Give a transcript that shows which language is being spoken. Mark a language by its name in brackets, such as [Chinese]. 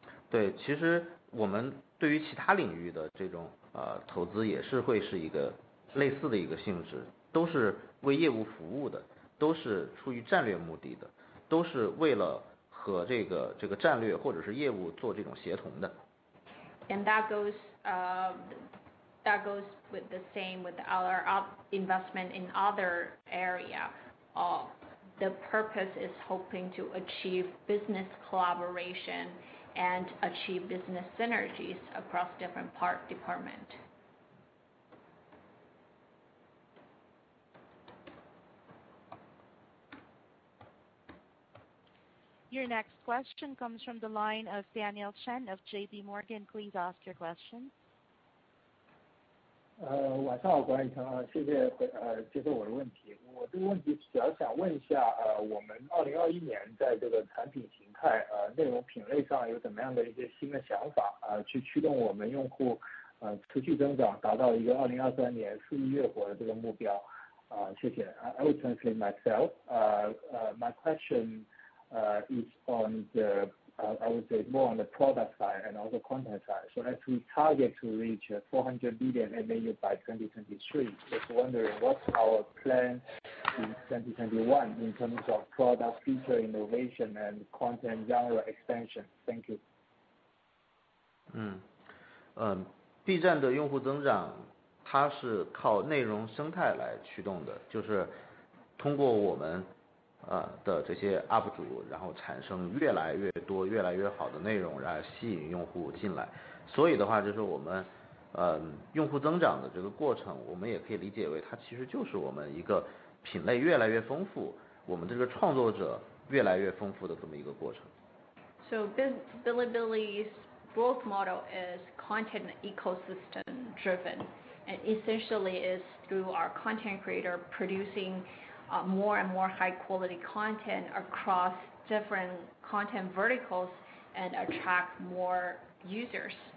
[Chinese] 对，其实我们对于其他领域的这种投资也是会是一个类似的一个性质，都是为业务服务的，都是出于战略目的的，都是为了和这个战略或者是业务做这种协同的。 [English] And that goes with the same with our investment in other area. The purpose is hoping to achieve business collaboration and achieve business synergies across different part department. Your next question comes from the line of Daniel Chen of J.P. Morgan. Please ask your question. [Chinese] 晚上好，管理层，谢谢接受我的问题。我这个问题主要想问一下，我们2021年在这个产品形态、内容品类上有怎么样的一些新的想法，去驱动我们用户持续增长，达到一个2023年4月份的这个目标。谢谢。 [English] I will translate myself. My question is on the I would say more on the product side and also content side. So as we target to reach 400 billion MAU by 2023, just wondering what's our plan in 2021 in terms of product feature innovation and content genre expansion. Thank you. [Chinese] 嗯，B 站的用户增长，它是靠内容生态来驱动的，就是通过我们。的这些 UP 主，然后产生越来越多、越来越好的内容，然后吸引用户进来。所以的话，就是我们用户增长的这个过程，我们也可以理解为它其实就是我们一个品类越来越丰富，我们这个创作者越来越丰富的这么一个过程。 [English] So Bilibili's growth model is content ecosystem driven, and essentially is through our content creator producing. More and more high quality content across different content verticals and attract more users.